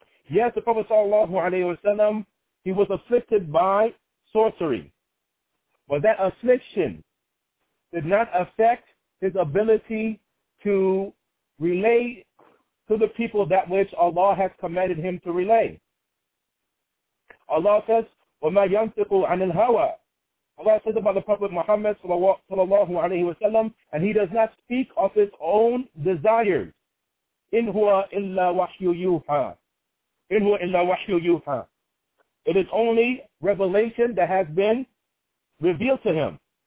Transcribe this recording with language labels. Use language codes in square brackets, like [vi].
[en] Yes, the Prophet sallallahu alayhi wa sallam, he was afflicted by sorcery. But that affliction did not affect his ability to relay to the people that which Allah has commanded him to relay. Allah says, [ar] وَمَا يَنْتِقُ عَنِ الْهَوَى. [en] Allah says about the Prophet Muhammad sallallahu alayhi wa sallam, and he does not speak of his own desires. [ar] In huwa illa wahyu yuha. In huwa illa wahyu yuha. [en] It is only revelation that has been revealed to him.